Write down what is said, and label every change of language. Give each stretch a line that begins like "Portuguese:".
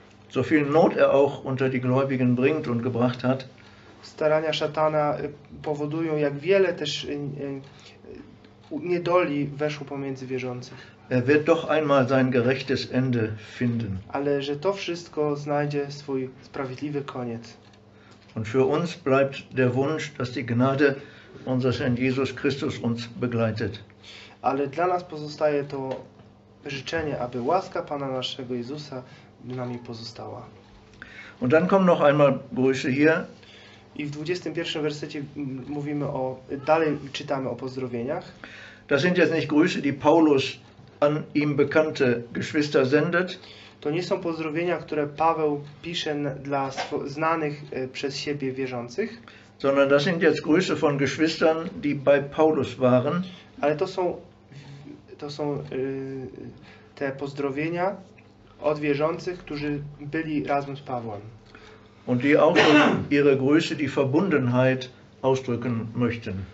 German: So viel Not er auch unter die Gläubigen bringt und gebracht hat.
Polish: Starania szatana powodują, jak wiele też niedoli weszło pomiędzy wierzących.
German: Er wird doch einmal sein gerechtes Ende finden.
Polish: Ale że to wszystko znajdzie swój sprawiedliwy koniec.
German: Und für uns bleibt der Wunsch, dass die Gnade unseres Herrn Jesus Christus uns begleitet.
Polish: Ale dla nas pozostaje to życzenie, aby łaska Pana naszego Jezusa nami pozostała.
German: Und dann kommen noch einmal Grüße hier.
Polish: I w 21. wersecie mówimy o, dalej czytamy o pozdrowieniach.
German: Das sind jetzt nicht Grüße, die Paulus an ihm bekannte Geschwister sendet.
Polish: To nie są pozdrowienia, które Paweł pisze dla znanych przez siebie wierzących.
German: Sondern das sind jetzt Grüße von Geschwistern, die bei Paulus waren.
Polish: Ale to są te pozdrowienia od wierzących, którzy byli razem z Pawłem.
German: Und die auch so ihre Grüße, die Verbundenheit ausdrücken möchten.